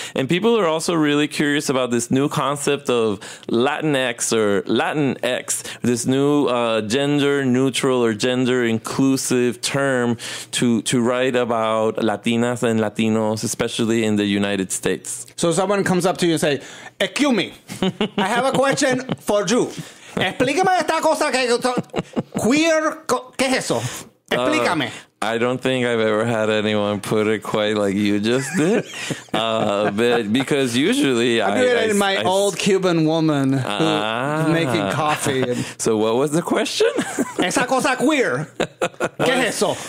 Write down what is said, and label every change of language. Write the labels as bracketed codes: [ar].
[en] And people are also really curious about this new concept of Latinx or Latinx, this new gender neutral or gender inclusive term to write about Latinas and Latinos, especially in the United States. So someone comes up to you and say, excuse me, I have a question for you. [es] Explícame esta cosa que queer, ¿qué es eso? Explícame. [en] I don't think I've ever had anyone put it quite like you just did. But because usually I'm doing it in my old Cuban woman who's making coffee. So what was the question? [es] Esa cosa queer. ¿Qué es eso?